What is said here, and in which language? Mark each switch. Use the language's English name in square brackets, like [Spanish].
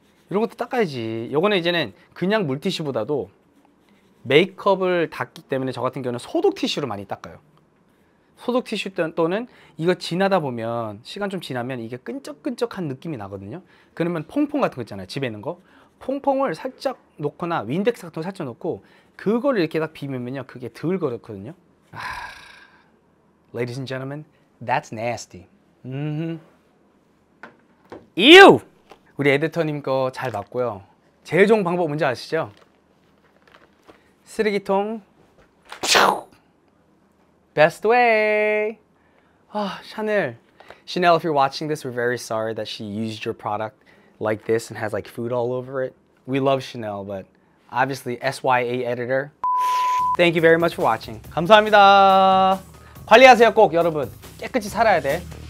[Korean] 이런 것도 닦아야지. 요거는 이제는 그냥 물티슈보다도 메이크업을 닦기 때문에 저 같은 경우는 소독 티슈로 많이 닦아요. 소독 티슈 또는 이거 지나다 보면 시간 좀 지나면 이게 끈적끈적한 느낌이 나거든요. 그러면 퐁퐁 같은 거 있잖아요. 집에 있는 거. 퐁퐁을 살짝 놓거나 윈덱스 같은 거 살짝 놓고 그걸 이렇게 딱 비비면요. 그게 덜 그렇거든요. 아... [English] Ladies and gentlemen, that's nasty. Ew! [Korean] 우리 에디터님 거 잘 봤고요. 재종 방법 뭔지 아시죠? 쓰레기통 [English] Best way! 아, 샤넬 Chanel, if you're watching this, we're very sorry that she used your product like this and has like food all over it. We love Chanel, but obviously SYA editor. Thank you very much for watching. [Korean] 감사합니다. 관리하세요 꼭 여러분. 깨끗이 살아야 돼.